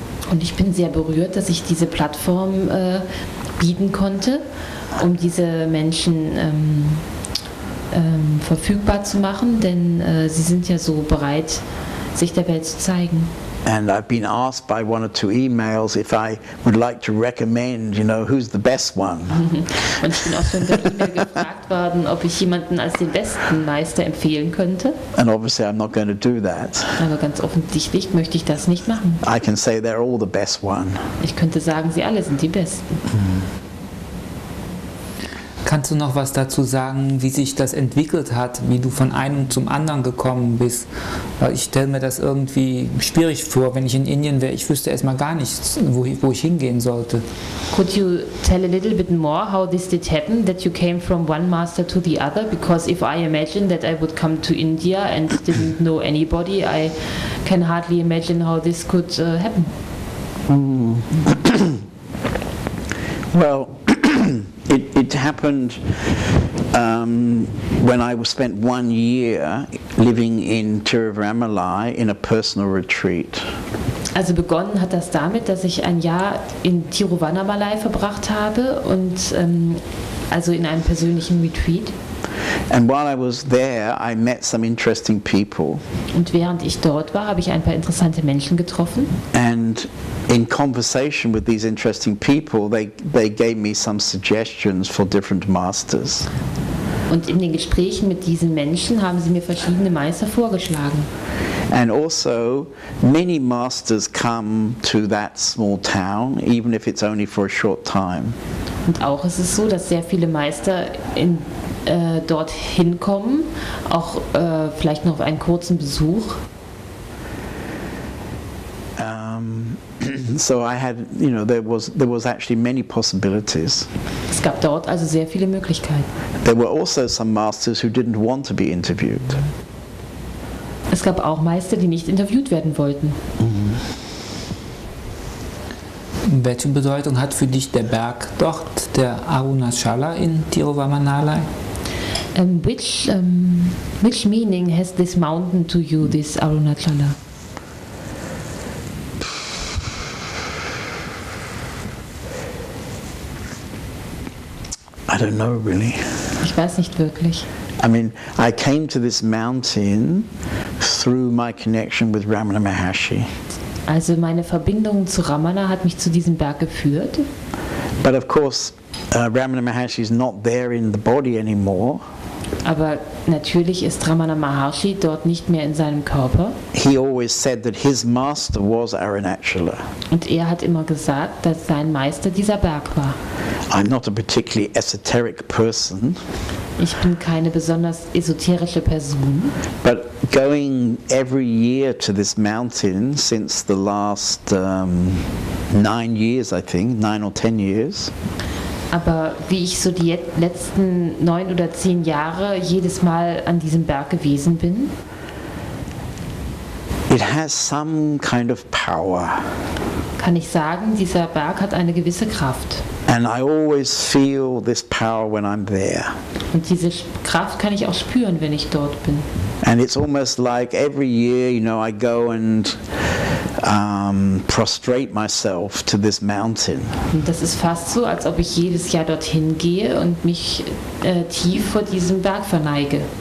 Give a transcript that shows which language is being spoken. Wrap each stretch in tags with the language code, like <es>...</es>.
<de>Und ich bin sehr berührt, dass ich diese Plattform bieten konnte, um diese Menschen verfügbar zu machen, denn sie sind ja so bereit, sich der Welt zu zeigen.</de> <en>And I've been asked by one or two emails if I would like to recommend, you know, who's the best one.</en> <de>Und ich bin auch schon per E-Mail gefragt worden, ob ich jemanden als den besten Meister empfehlen könnte.</de> <en>And obviously I'm not going to do that.</en> <de>Aber ganz offensichtlich möchte ich das nicht machen.</de> <en>I can say they're all the best one.</en> <de>Ich könnte sagen, sie alle sind die besten. Kannst du noch was dazu sagen, wie sich das entwickelt hat, wie du von einem zum anderen gekommen bist? Weil ich stelle mir das irgendwie schwierig vor, wenn ich in Indien wäre. Ich wüsste erstmal gar nicht, wo ich hingehen sollte.</de> <en>Could you tell a little bit more how this did happen, that you came from one master to the other? Because if I imagine that I would come to India and didn't know anybody, I can hardly imagine how this could happen. Well, it happened when I spent 1 year living in Tiruvannamalai in a personal retreat.</en> <de>Also begonnen hat das damit, dass ich ein Jahr in Tiruvannamalai verbracht habe und also in einem persönlichen Retreat.</de> <en>And while I was there, I met some interesting people.</en> <de>Und während ich dort war, habe ich ein paar interessante Menschen getroffen.</de> <en>And in conversation with these interesting people, they gave me some suggestions for different masters.</en> <de>Und in den Gesprächen mit diesen Menschen haben sie mir verschiedene Meister vorgeschlagen.</de> <en>And also, many masters come to that small town, even if it's only for a short time.</en> <de>Und auch ist es so, dass sehr viele Meister in dorthin kommen, auch vielleicht noch auf einen kurzen Besuch.</de> <en>So I had, you know, there was actually many possibilities.</en> <de>Es gab dort also sehr viele Möglichkeiten.</de> <en>There were also some masters who didn't want to be interviewed.</en> <de>Es gab auch Meister, die nicht interviewt werden wollten. Welche Bedeutung hat für dich der Berg dort, der Arunachala in Tiruvannamalai?</de> <en>Which meaning has this mountain to you, this Arunachala? I don't know really.</en> <de>Ich weiß nicht wirklich.</de> <en>I mean, I came to this mountain through my connection with Ramana Maharshi.</en> <de>Also meine Verbindung zu Ramana hat mich zu diesem Berg geführt.</de> <en>But of course, Ramana Maharshi is not there in the body anymore.</en> <de>Aber natürlich ist Ramana Maharshi dort nicht mehr in seinem Körper.</de> <en>He always said that his master was Arunachala.</en> <de>Und er hat immer gesagt, dass sein Meister dieser Berg war.</de> <en>I'm not a particularly esoteric person.</en> <de>Ich bin keine besonders esoterische Person.</de> <en>But going every year to this mountain since the last 9 years, I think, 9 or 10 years.</en> <de>Aber wie ich so die letzten 9 oder 10 Jahre jedes Mal an diesem Berg gewesen bin.</de> <en>It has some kind of power.</en> <de>Kann ich sagen, dieser Berg hat eine gewisse Kraft.</de> <en>And I always feel this power when I'm there.</en> <de>Und diese Kraft kann ich auch spüren, wenn ich dort bin.</de> <en>And it's almost like every year, you know, I go and prostrate myself to this mountain.</en> <de>Und das ist fast so, als ob ich jedes Jahr dorthin gehe und mich tief vor diesem Berg verneige.</de>